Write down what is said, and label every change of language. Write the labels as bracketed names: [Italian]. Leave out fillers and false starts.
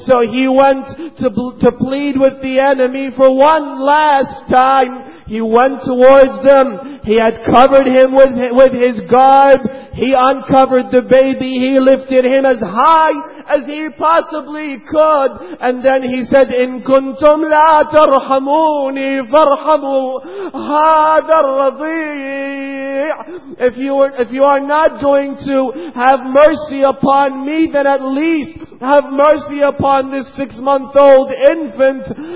[English] So he went to plead with the enemy for one last time. He went towards them. He had covered him with his garb. He uncovered the baby. He lifted him as high as he possibly could. And then he said, [Arabic] إِن كُنْتُمْ لَا تَرْحَمُونِي فَارْحَمُوا هَذَا الرَّضِيعِ. [English] If you are not going to have mercy upon me, then at least have mercy upon this 6-month-old infant.